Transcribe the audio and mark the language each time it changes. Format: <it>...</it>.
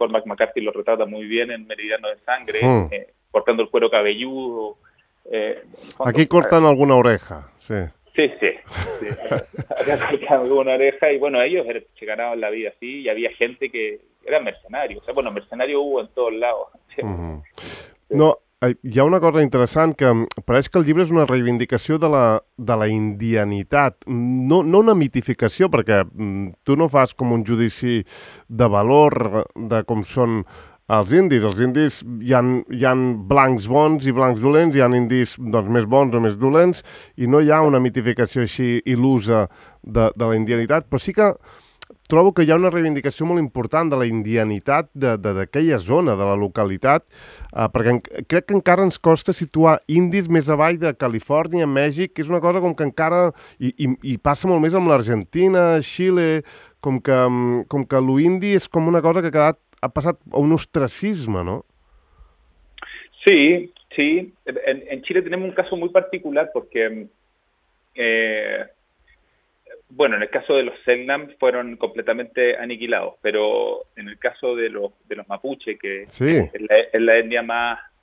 <es>Cormac McCarthy lo retrata muy bien en Meridiano de Sangre, cortando el cuero cabelludo. Aquí cortan alguna oreja, sí. Sí. Había una oreja y bueno, ellos se ganaban la vida así, y había gente que era mercenario. O sea, bueno, mercenario hubo en todos lados. Sí. Mm-hmm. Sí.</es> <ca>No, hi ha una cosa interessant, que pareix que el llibre és una reivindicació de la indianitat, no una mitificació, perquè tu no fas com un judici de valor de com són els indis. Els indis, hi ha blancs bons i blancs dolents, hi ha indis doncs, més bons o més dolents, i no hi ha una mitificació així il·lusa de la indianitat, però sí que trobo que hi ha una reivindicació molt important de la indianitat d'aquella zona, de la localitat, perquè crec que encara ens costa situar indis més avall de Califòrnia, Mèxic, que és una cosa com que encara... I passa molt més amb l'Argentina, Xile, com que l'indi és com una cosa que ha passat a un ostracisme, no? Sí.</ca> <es>En Chile tenemos un caso muy particular porque, bueno, en el caso de los Tsegnam fueron completamente aniquilados, pero en el caso de los mapuche, que sí. es la etnia más,</es>